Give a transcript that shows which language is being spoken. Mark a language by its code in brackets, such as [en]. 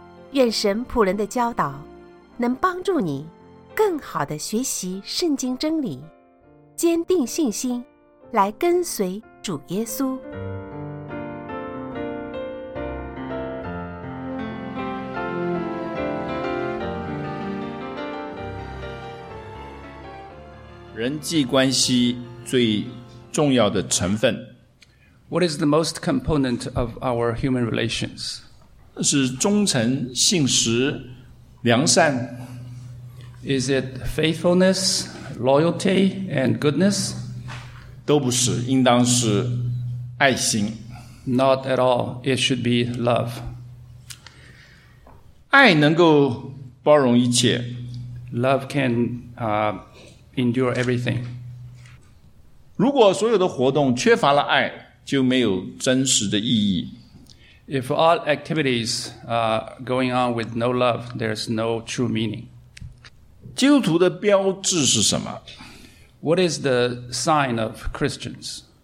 [zh] 愿神仆人的教导能帮助你更好地学习圣经真理，坚定信心来跟随主耶稣。人际关系最重要的成分。 [en] What is the most component of our human relations? [zh] 是忠诚、信实、良善。 [en] Is it faithfulness, loyalty, and goodness? [zh] 都不是，应当是爱心。 [en] Not at all. It should be love. [zh] 爱能够包容一切。 [en] Love can endure everything. [zh] 如果所有的活动缺乏了爱，就没有真实的意义。 [en] If all activities are going on with no love, there's no true meaning. [zh] 基督徒的标志是什么？ [en] What is the sign of Christians?